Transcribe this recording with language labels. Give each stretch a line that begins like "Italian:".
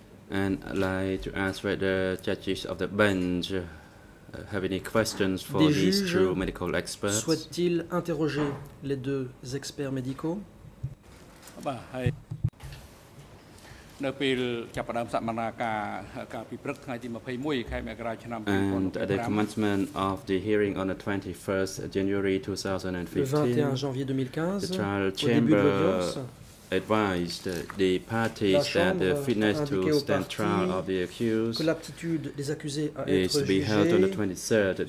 English: And I'd like to ask whether judges of the bench have any questions for these two medical experts.
French: Souhaite-t-il interroger les deux experts médicaux?
English: And at the commencement of the hearing on the 21st January 2015, the trial chamber advised the parties that the fitness to stand trial of the accused is to be held on the 23rd